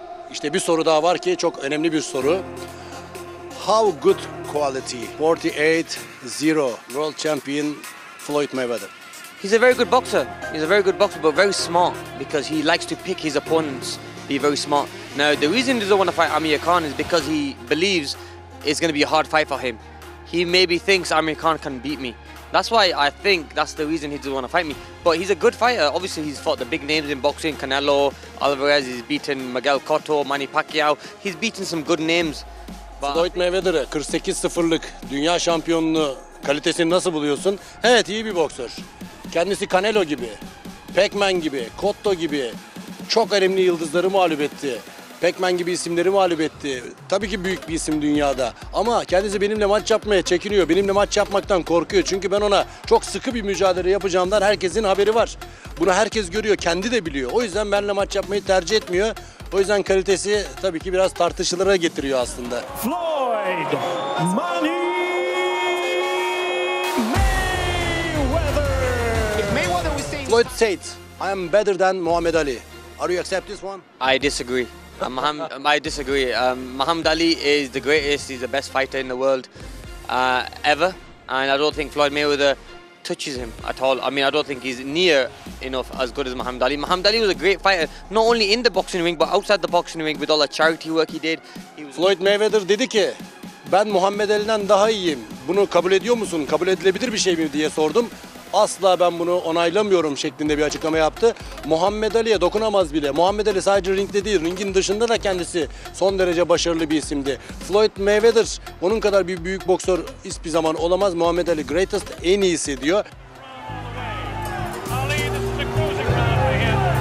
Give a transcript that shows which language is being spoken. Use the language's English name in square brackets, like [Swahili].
[Turkish] İşte bir soru daha var ki çok önemli bir soru. [English] How good quality 48-0 world champion Floyd Mayweather? He's a very good boxer. He's a very good boxer, but very smart because he likes to pick his opponents, be very smart. Now, the reason he doesn't want to fight Amir Khan is because he believes it's going to be a hard fight for him. He maybe thinks Amir Khan can beat me. That's why I think that's the reason he doesn't want to fight me. But he's a good fighter. Obviously, he's fought the big names in boxing. Canelo, Alvarez, he's beaten Miguel Cotto, Manny Pacquiao. He's beaten some good names. [Turkish] But Floyd Mayweather'ı 48-0'lık dünya şampiyonluğu kalitesini nasıl buluyorsun? Evet, iyi bir boksör. Kendisi Canelo gibi, Pac-Man gibi, Cotto gibi çok önemli yıldızları mağlup etti. Pac-Man gibi isimleri mağlup etti. Tabii ki büyük bir isim dünyada. Ama kendisi benimle maç yapmaya çekiniyor. Benimle maç yapmaktan korkuyor. Çünkü ben ona çok sıkı bir mücadele yapacağımdan herkesin haberi var. Bunu herkes görüyor. Kendi de biliyor. O yüzden benimle maç yapmayı tercih etmiyor. O yüzden kalitesi tabii ki biraz tartışılara getiriyor aslında. [English] Floyd Money Mayweather. Floyd said, I am better than Muhammad Ali. Are you accept this one? I disagree. I disagree. Muhammad Ali is the greatest. He's the best fighter in the world ever, and I don't think Floyd Mayweather touches him at all. I mean, I don't think he's near enough as good as Muhammad Ali. Muhammad Ali was a great fighter, not only in the boxing ring but outside the boxing ring with all the charity work he did. [Turkish] Floyd Mayweather dedi ki, ben Muhammad Ali'den daha iyiyim. Bunu kabul ediyor musun? Kabul edilebilir bir şey mi diye sordum. Asla ben bunu onaylamıyorum şeklinde bir açıklama yaptı. Muhammed Ali'ye dokunamaz bile. Muhammed Ali sadece ringde değil, ringin dışında da kendisi son derece başarılı bir isimdi. Floyd Mayweather onun kadar bir büyük boksör hiçbir zaman olamaz. Muhammed Ali greatest, en iyisi diyor. [English] Ali, this is the cruising round again.